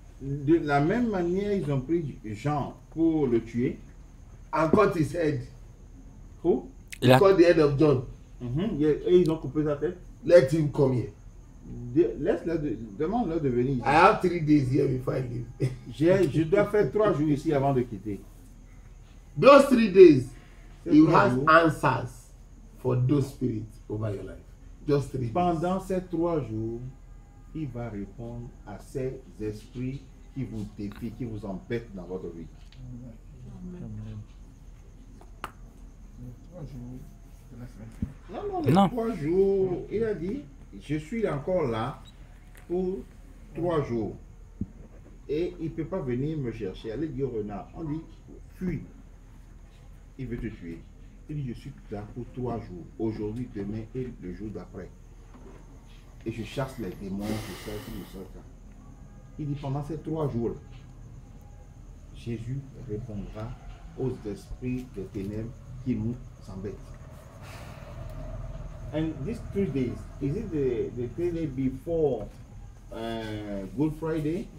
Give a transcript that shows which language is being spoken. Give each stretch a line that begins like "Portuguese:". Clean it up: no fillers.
French: De la même manière, ils ont pris Jean pour le tuer.
English: And cut his head. Who? Yeah. He cut the head of John.
French: Mm-hmm. Yeah. Et ils ont coupé sa tête.
English: Let him come here.
French: Demande-leur de venir.
English: I have 3 days here before I leave.
French: je dois faire 3 jours ici avant de quitter.
English: Those 3 days, you have answers for those spirits over your life. Just 3 days.
French: Pendant ces 3 jours, il va répondre à ces esprits qui vous défient, qui vous embêtent dans votre vie. Amen. Les 3 jours, il a dit, je suis encore là pour 3 jours. Et il ne peut pas venir me chercher. Allez dire au renard, on dit, fuis. Il veut te tuer. Il dit, je suis là pour 3 jours. Aujourd'hui, demain et le jour d'après. Et je chasse les démons, je sors. Il dit, pendant ces 3 jours, Jésus répondra aux esprits des ténèbres qui nous embêtent.
English: And these 3 days, is it the 3 days before Good Friday?